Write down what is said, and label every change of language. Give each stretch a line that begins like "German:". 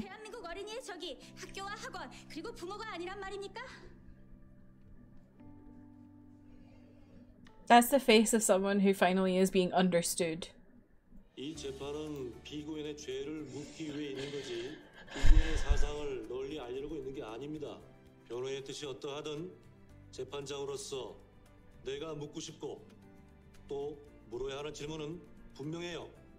Korean: 대한민국 어린이의 적이 학교와 학원 그리고 부모가 아니란 말입니까?
English: That's the face of someone who finally is being understood.
Korean: 이 재판은 피고인의 죄를 묻기 위해 있는 거지 피고인의 사상을 널리 알리려고 있는 게 아닙니다. 변호의 뜻이 어떠하든 재판장으로서 내가 묻고 싶고 또 물어야 하는 질문은 분명해요.